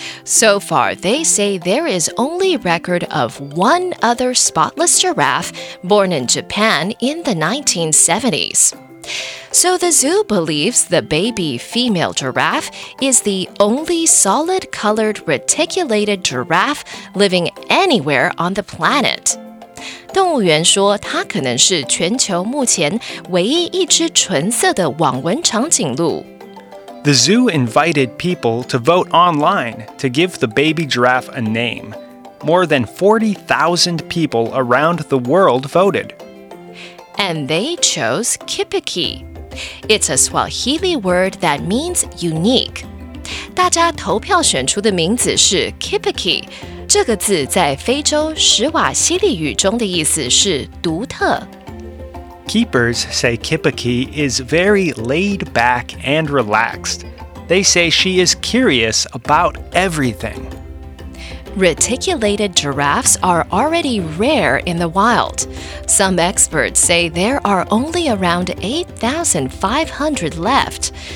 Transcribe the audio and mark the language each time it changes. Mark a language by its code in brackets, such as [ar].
[en] So far, they say there is only record of one other spotless giraffe born in Japan in the 1970s. So the zoo believes the baby female giraffe is the only solid-colored reticulated giraffe living anywhere on the planet. [zh] 动物园说它可能是全球目前唯一一只纯色的网纹长颈鹿。 [en] The zoo invited people to vote online to give the baby giraffe a name. More than 40,000 people around the world voted. And they chose kipiki. It's a Swahili word that means unique. [zh] 大家投票选出的名字是 kipiki. 这个字在非洲史瓦西里语中的意思是独特。 [en] Keepers say Kipiki is very laid back and relaxed. They say she is curious about everything. Reticulated giraffes are already rare in the wild. Some experts say there are only around 8,500 left.